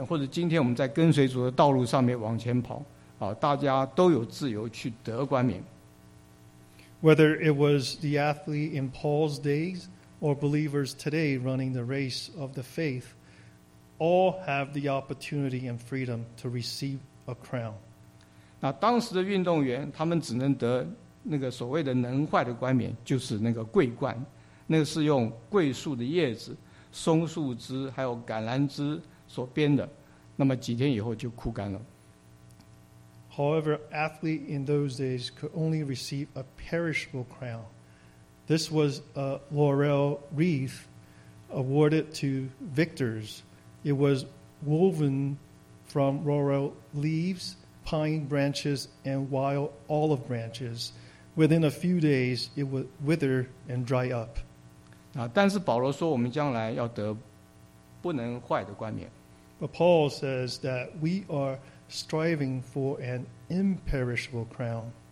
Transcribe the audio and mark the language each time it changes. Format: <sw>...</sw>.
<zh>不管是当时的运动员，或者今天我们在跟随主的道路上面往前跑, 大家都有自由去得冠冕。</zh> <en>Whether it was the athlete in Paul's days or believers today running the race of the faith, all have the opportunity and freedom to receive a crown.</en> <zh>那当时的运动员，他们只能得那个所谓的能坏的冠冕, 就是那个桂冠, 那个是用桂树的叶子, 松树枝, 还有橄榄枝所编的, 那么几天以后就枯干了。</zh> <en>However, athletes in those days could only receive a perishable crown. This was a laurel wreath awarded to victors. It was woven from laurel leaves, pine branches, and wild olive branches. Within a few days, it would wither and dry up.</en> <zh>但是保罗说我们将来要得不能坏的冠冕。</zh> <en>But Paul says that we are striving for an imperishable crown.</en>